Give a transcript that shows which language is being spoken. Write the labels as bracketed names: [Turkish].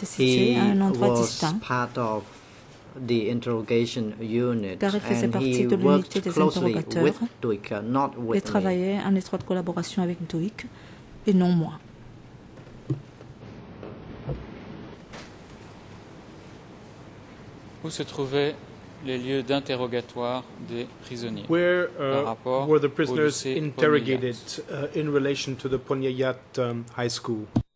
[English] he was part of the interrogation unit and he worked closely with Duyck, not with me. [French] Il travaillait en étroite collaboration avec Duyck et non moi. Où se trouvait les lieux d'interrogatoire des prisonniers. [English] Where were the prisoners interrogated in relation to the Ponyevat High School?